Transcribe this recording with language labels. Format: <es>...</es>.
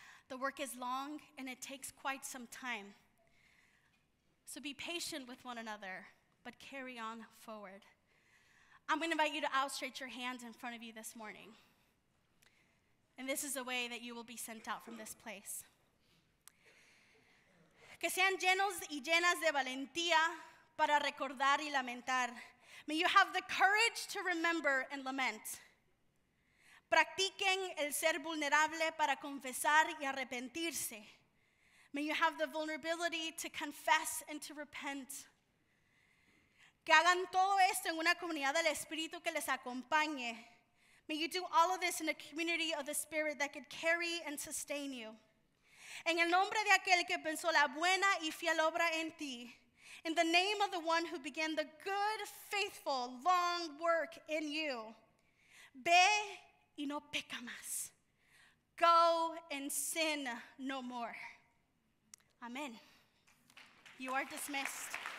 <en>The work is long and it takes quite some time. So be patient with one another. But carry on forward. I'm going to invite you to outstretch your hands in front of you this morning. And this is a way that you will be sent out from this place.</en> <es>Que sean llenos y llenas de valentía para recordar y lamentar.</es> <en>May you have the courage to remember and lament.</en> <es>Practiquen el ser vulnerable para confesar y arrepentirse.</es> <en>May you have the vulnerability to confess and to repent.</en> <es>Que hagan todo esto en una comunidad del Espíritu que les acompañe.</es> <en>May you do all of this in a community of the Spirit that could carry and sustain you.</en> <es>En el nombre de aquel que pensó la buena y fiel obra en ti.</es> <en>In the name of the one who began the good, faithful, long work in you.</en> <es>Ve y no peca más.</es> <en>Go and sin no more. Amen. You are dismissed.</en>